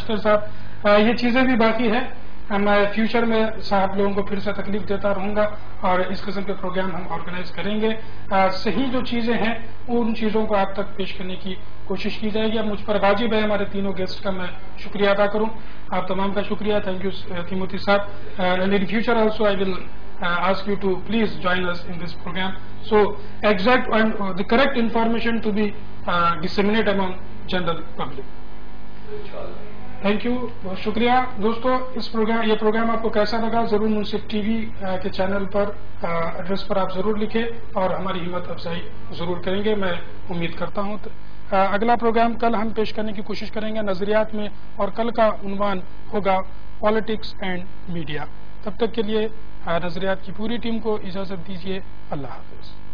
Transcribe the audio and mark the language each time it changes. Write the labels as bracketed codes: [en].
[ur] نشتر صاحب، یہ چیزیں بھی باقی ہیں، میں فیوچر میں صاحب لوگوں کو پھر سے تکلیف دیتا رہوں گا، اور اس قسم کے پروگرام ہم آرگنائز کریں گے. صحیح جو چیزیں ہیں ان چیزوں کو آپ تک پیش کرنے کی کوشش کی جائے گی. اب مجھ پر واجب ہے ہمارے تینوں گیسٹ کا میں شکریہ ادا کروں، آپ تمام کا شکریہ. [en] Thank you Timothy صاحب، and in future also I will ask you to please join us in this program, so exact and the correct information to be disseminated among general public. [ur] Thank you, بہت شکریہ. دوستو، اس programme, یہ programme آپ کو کیسا لگا، ضرور منصف T V کے چینل پر ایڈریس پر آپ ضرور لکھیں، اور ہماری ہمت افزائی ضرور کریں گے، میں امید کرتا ہوں. اگلا پروگرام کل ہم پیش کرنے کی کوشش کریں گے نظریات میں، اور کل کا عنوان ہوگا پالیٹکس اینڈ میڈیا. تب تک کے لیے نظریات کی پوری ٹیم کو اجازت دیجیے، اللہ حافظ.